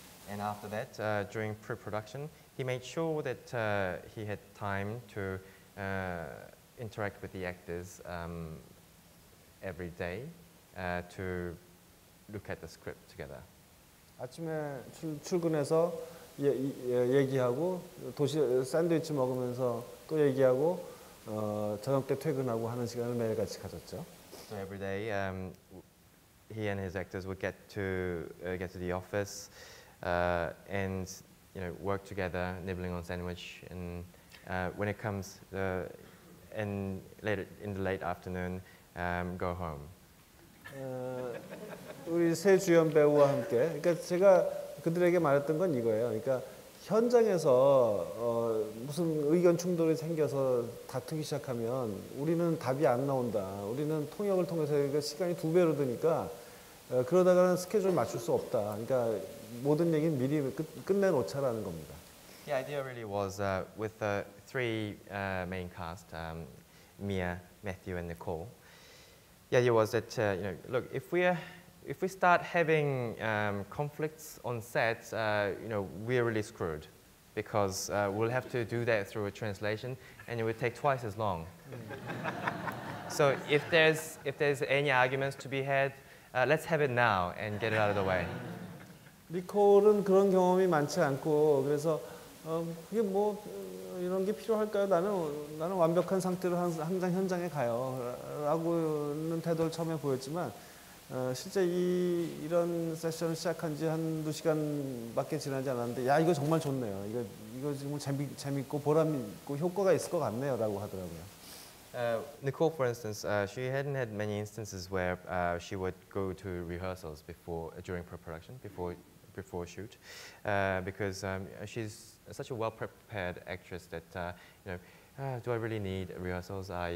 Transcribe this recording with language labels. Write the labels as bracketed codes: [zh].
[en] And after that, during pre-production, he made sure that he had time to interact with the actors every day to look at the script together. [ko] 아침에 출근해서 얘기하고 도시 샌드위치 먹으면서 또 얘기하고 저녁 때 퇴근하고 하는 시간을 매일 같이 가졌죠. [en] So every day, he and his actors would get to the office and you know work together, nibbling on sandwich. And when it comes in the late afternoon, go home. [ko] 우리 세 주연 배우와 함께. 그러니까 제가 그들에게 말했던 건 이거예요. 그러니까 현장에서 무슨 의견 충돌이 생겨서 다투기 시작하면 우리는 답이 안 나온다. 우리는 통역을 통해서 그러니까 시간이 두 배로 드니까. 그러다가는 스케줄을 맞출 수 없다. 그러니까 모든 얘기는 미리 끝내놓자라는 겁니다. [en] The idea really was with the three main cast, Mia, Matthew, and Nicole. The idea was that you know, look, if we start having conflicts on set, you know, we're really screwed because we'll have to do that through a translation, and it would take twice as long. So if there's any arguments to be had. Let's have it now and get it out of the way. [ko] 니콜은 그런 경험이 많지 않고 그래서 그게 뭐 이런 게 필요할까요? 나는 완벽한 상태로 항상 현장에 가요라고는 태도를 처음에 보였지만 실제 이런 세션을 시작한 지 한두 시간밖에 지나지 않았는데 야 이거 정말 좋네요. 이거 지금 재밌고 보람 있고 효과가 있을 것 같네요라고 하더라고요. [en] Nicole, for instance, she hadn't had many instances where she would go to rehearsals during pre-production, before shoot, because she's such a well-prepared actress that, you know, do I really need rehearsals?